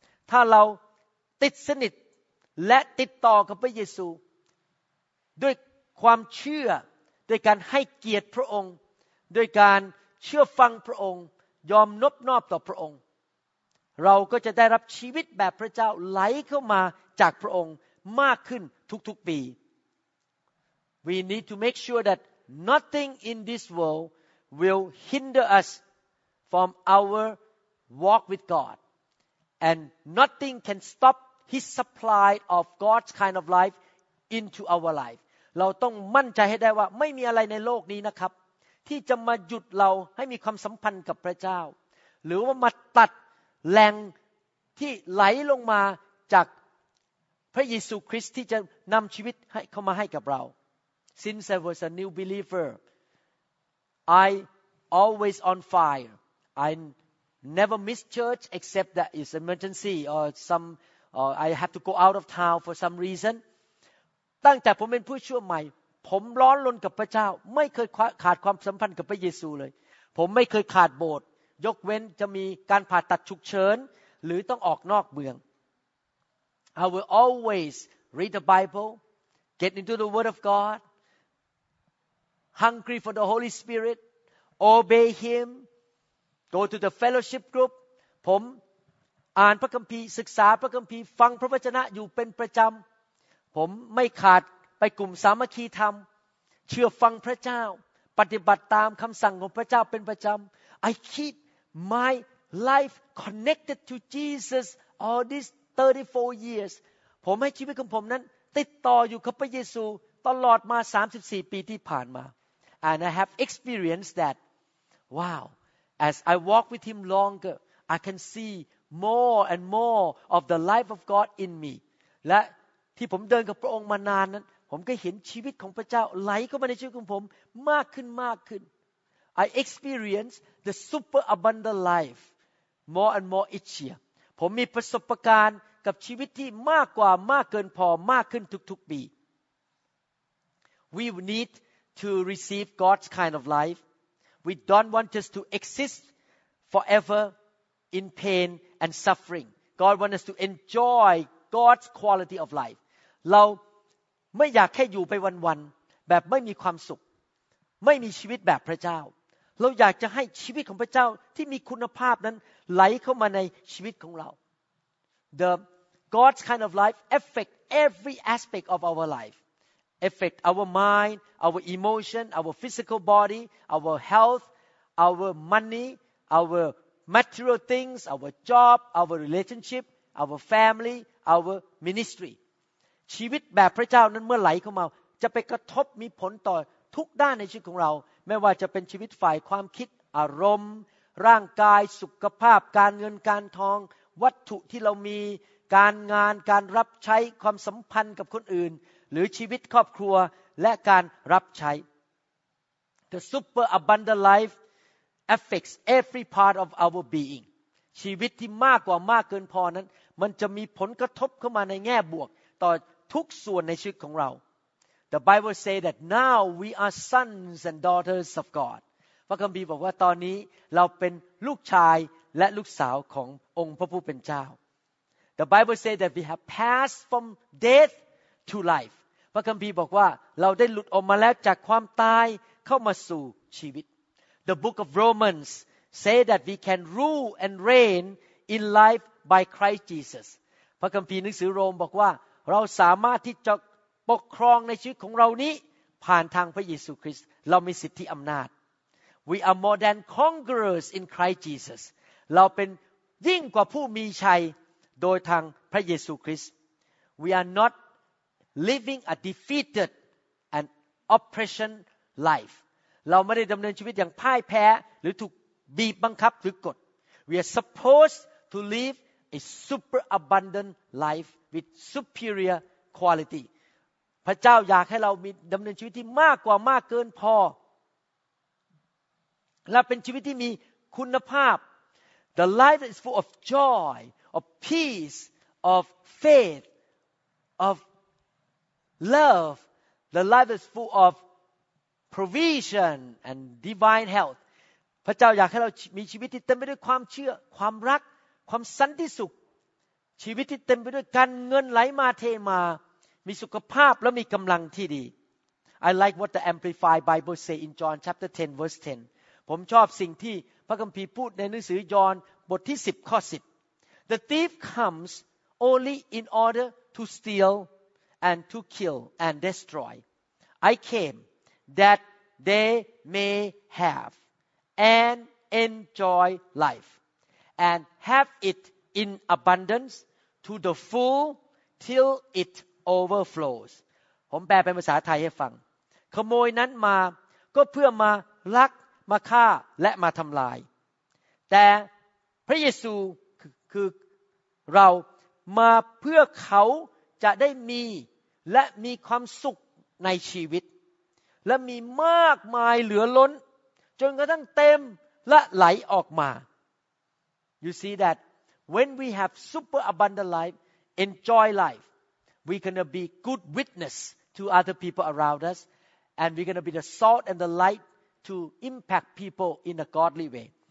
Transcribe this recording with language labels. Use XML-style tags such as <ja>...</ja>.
<th>ถ้าเราติดสนิทและติดต่อกับพระเยซูด้วยความเชื่อด้วยการให้เกียรติพระองค์ด้วยการเชื่อฟังพระองค์ยอมนอบน้อมต่อพระองค์เราก็จะได้รับชีวิตแบบพระเจ้าไหลเข้ามาจากพระองค์มากขึ้นทุกๆปี</th> <en>We need to make sure that nothing in this world will hinder us from our walk with God. And nothing can stop His supply of God's kind of life into our life.</en> <th>เราต้องมั่นใจให้ได้ว่าไม่มีอะไรในโลกนี้นะครับที่จะมาหยุดเราให้มีความสัมพันธ์กับพระเจ้าหรือว่ามาตัดแรงที่ไหลลงมาจากพระเยซูคริสต์ที่จะนำชีวิตให้เข้ามาให้กับเรา</th> <en>Since I was a new believer I always on fire I never miss church except that is emergency or some or I have to go out of town for some reason</en> <th>ตั้งแต่ผมเป็นผู้ชั่วใหม่ผมร้อนรนกับพระเจ้าไม่เคยขาดความสัมพันธ์กับพระเยซูเลยผมไม่เคยขาดโบสถ์ยกเว้นจะมีการผ่าตัดฉุกเฉินหรือต้องออกนอกเมือง</th> <en>I will always read the Bible get into the word of God hungry for the Holy Spirit obey him go to the fellowship group</en> <th>ผมอ่านพระคัมภีร์ศึกษาพระคัมภีร์ฟังพระวจนะอยู่เป็นประจำผมไม่ขาดไปกลุ่มสามัคคีธรรมเชื่อฟังพระเจ้าปฏิบัติตามคำสั่งของพระเจ้าเป็นประจำ</th> <en>I keep my life connected to Jesus all these 34 years</en> <th>ผมให้ชีวิตของผมนั้นติดต่ออยู่กับพระเยซูตลอดมา34ปีที่ผ่านมา</th> <en>And I have experienced that Wow As I walk with him longer I can see more and more of the life of God in me</en> <th>และที่ผมเดินกับพระองค์มานานนั้นผมก็เห็นชีวิตของพระเจ้าไหลเข้ามาในชีวิตของผมมากขึ้นมากขึ้น</th> <en>I experience the super abundant life more and more each year</en> <th>ผมมีประสบการณ์กับชีวิตที่มากกว่ามากเกินพอมากขึ้นทุกๆปี</th> <en>We need to receive God's kind of life We don't want just to exist forever in pain and suffering God wants us to enjoy God's quality of life</en> <th>เราไม่อยากแค่อยู่ไปวันๆแบบไม่มีความสุขไม่มีชีวิตแบบพระเจ้าเราอยากจะให้ชีวิตของพระเจ้าที่มีคุณภาพนั้นไหลเข้ามาในชีวิตของเรา</th> <en>The God's kind of life affect every aspect of our life affect our mind our emotion our physical body our health our money our material things our job our relationship our family our ministry</en> <th>ชีวิตแบบพระเจ้านั้นเมื่อไหลเข้ามาจะไปกระทบมีผลต่อทุกด้านในชีวิตของเราไม่ว่าจะเป็นชีวิตฝ่ายความคิดอารมณ์ร่างกายสุขภาพการเงินการทองวัตถุที่เรามีการงานการรับใช้ความสัมพันธ์กับคนอื่นหรือชีวิตครอบครัวและการรับใช้</th> <en>The super abundant life affects every part of our being</en> <th>ชีวิตที่มากกว่ามากเกินพอนั้นมันจะมีผลกระทบเข้ามาในแง่บวกต่อทุกส่วนในชีวิตของเรา</th> <en>The Bible say that now we are sons and daughters of God</en> <th>พระคัมภีร์บอกว่าตอนนี้เราเป็นลูกชายและลูกสาวขององค์พระผู้เป็นเจ้า</th> <en>The Bible say that we have passed from death to life</en> <th>พระคัมภีร์บอกว่าเราได้หลุดออกมาแล้วจากความตายเข้ามาสู่ชีวิต</th> <en>The book of Romans say that we can rule and reign in life by Christ Jesus</en> <th>พระคัมภีร์หนังสือโรมบอกว่าเราสามารถที่จะปกครองในชีวิตของเรานี้ผ่านทางพระเยซูคริสต์เรามีสิทธิอำนาจ</th> <en>We are more than conquerors in Christ Jesus</en> <th>เราเป็นยิ่งกว่าผู้มีชัยโดยทางพระเยซูคริสต์</th> <en>We are not living a defeated and oppression life</en> <th>เราไม่ได้ดำเนินชีวิตอย่างพ่ายแพ้หรือถูกบีบบังคับหรือกด</th> <en>We are supposed to liveA super abundant life with superior quality.</en> <th>พระเจ้าอยากให้เรามีดำเนินชีวิตที่มากกว่ามากเกินพอและเป็นชีวิตที่มีคุณภาพ</th> <en>The life is full of joy, of peace, of faith, of love. The life is full of provision and divine health.</en> <th>พระเจ้าอยากให้เรามีชีวิตที่เต็มไปด้วยความเชื่อความรักความสันติสุขชีวิตที่เต็มไปด้วยการเงินไหลมาเทมามีสุขภาพและมีกำลังที่ดี</th> <en>I like what the Amplified Bible say in John chapter 10 verse 10</en> <th>ผมชอบสิ่งที่พระคัมภีร์พูดในหนังสือยอห์นบทที่10ข้อ10</th> <en>The thief comes only in order to steal and to kill and destroy I came that they may have and enjoy life and have it in abundance to the full till it overflows.</en> <th>ผมแปลเป็นภาษาไทยให้ฟังขโมยนั้นมาก็เพื่อมาลักมาฆ่าและมาทำลายแต่พระเยซูคือเรามาเพื่อเขาจะได้มีและมีความสุขในชีวิตและมีมากมายเหลือล้นจนกระทั่งเต็มและไหลออกมา</th> <en>You see that when we have super abundant life enjoy life we gonna be good witness to other people around us and we gonna be the salt and the light to impact people in a godly way</en>